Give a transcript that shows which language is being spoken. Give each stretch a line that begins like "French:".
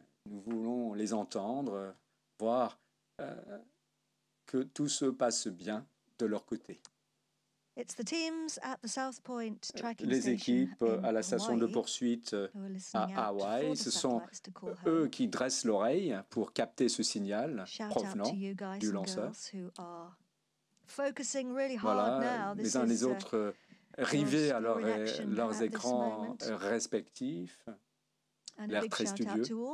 French: Nous voulons les entendre, voir que tout se passe bien de leur côté.
English: It's the teams at the South Point tracking
French: les équipes à la station de poursuite à Hawaï, ce sont eux qui dressent l'oreille pour capter ce signal provenant du lanceur.
English: Really
French: voilà,
English: now.
French: Les uns les autres rivés à leurs écrans respectifs, l'air très studieux.